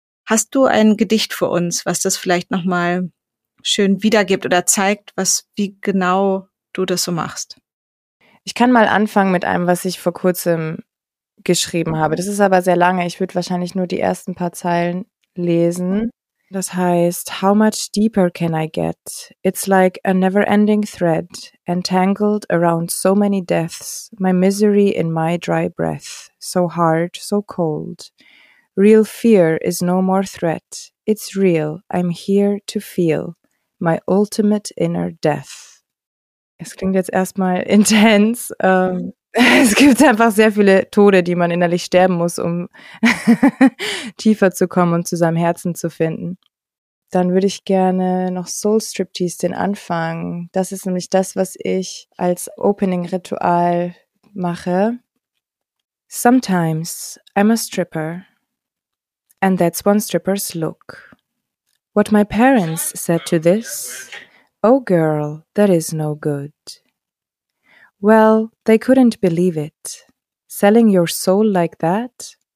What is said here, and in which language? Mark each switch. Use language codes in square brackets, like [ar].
[de] Hast du ein Gedicht für uns, was das vielleicht nochmal schön wiedergibt oder zeigt, wie genau du das so machst? Ich kann mal anfangen mit einem, was ich vor kurzem geschrieben habe. Das ist aber sehr lange. Ich würde wahrscheinlich nur die ersten paar Zeilen lesen. Das heißt, [en] how much deeper can I get? It's like a never-ending thread, entangled around so many deaths, my misery in my dry breath, so hard, so cold. Real fear is no more threat. It's real. I'm here to feel my ultimate inner death. [de] Es klingt jetzt erstmal intens. Es gibt einfach sehr viele Tode, die man innerlich sterben muss, um tiefer zu kommen und zu seinem Herzen zu finden. Dann würde ich gerne noch Soul Striptease den Anfang. Das ist nämlich das, was ich als Opening-Ritual mache. [en] Sometimes I'm a stripper. And that's one stripper's look. What my parents said to this. Oh girl, that is no good. Well, they couldn't believe it. Selling your soul like that?